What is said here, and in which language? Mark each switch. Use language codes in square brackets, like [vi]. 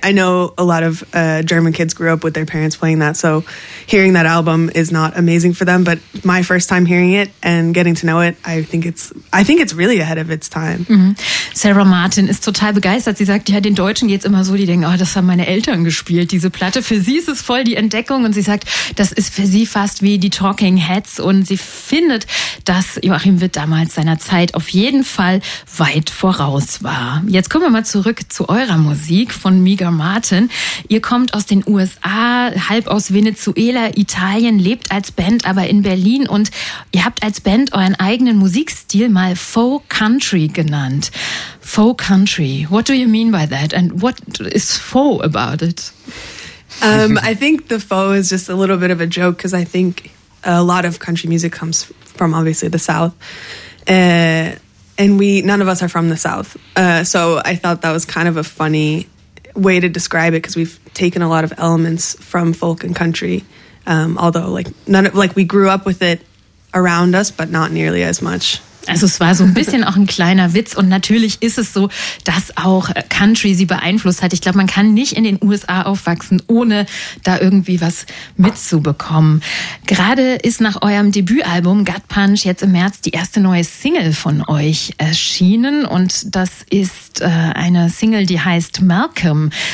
[en] I know a lot of German kids grew up with their parents playing that, so hearing that album is not amazing for them, but my first time hearing it and getting to know it, I think it's really ahead of its time. [de] Mm-hmm. Sarah Martin ist total begeistert. Sie sagt, ja, den Deutschen geht's immer so, die denken, oh, das haben meine Eltern gespielt, diese Platte. Für sie ist es voll die Entdeckung und sie sagt, das ist für sie fast wie die Talking Heads und sie findet, dass Joachim Witt damals seiner Zeit auf jeden Fall weit voraus war. Jetzt kommen wir mal zurück zu eurer Musik. Von Miga Martin. Ihr kommt aus den USA, halb aus Venezuela, Italien, lebt als Band aber in Berlin und ihr habt als Band euren eigenen Musikstil mal Faux Country genannt. [en] Faux Country, what do you mean by that and what is faux about it? I think the faux is just a little bit of a joke because I think a lot of country music comes from obviously the South. And none of us are from the South. So I thought that was kind of a funny way to describe it because we've taken a lot of elements from folk and country. Although like we grew up with it around us, but not nearly as much. [de] Also es war so ein bisschen auch ein kleiner Witz und natürlich ist es so, dass auch Country sie beeinflusst hat. Ich glaube, man kann nicht in den USA aufwachsen, ohne da irgendwie was mitzubekommen. Gerade ist nach eurem Debütalbum Gut Punch jetzt im März die erste neue Single von euch erschienen und das ist eine Single, die heißt Malcolm.